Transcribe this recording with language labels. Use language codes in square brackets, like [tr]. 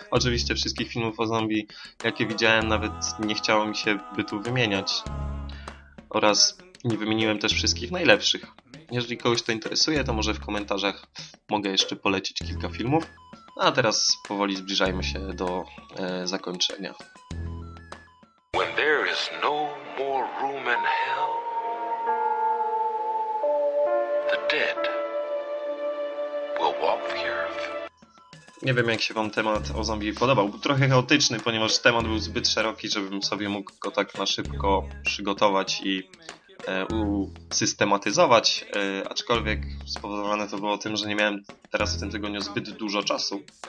[pl] Oczywiście wszystkich filmów o zombie, jakie widziałem, nawet nie chciało mi się by tu wymieniać. Oraz nie wymieniłem też wszystkich najlepszych. Jeżeli kogoś to interesuje, to może w komentarzach mogę jeszcze polecić kilka filmów. A teraz powoli zbliżajmy się do zakończenia. [en] When there is no more room in hell, the dead will walk the earth. [pl] Nie wiem, jak się wam temat o zombie podobał. Był trochę chaotyczny, ponieważ temat był zbyt szeroki, żebym sobie mógł go tak na szybko przygotować i usystematyzować. Aczkolwiek spowodowane to było tym, że nie miałem teraz w tym tygodniu zbyt dużo czasu.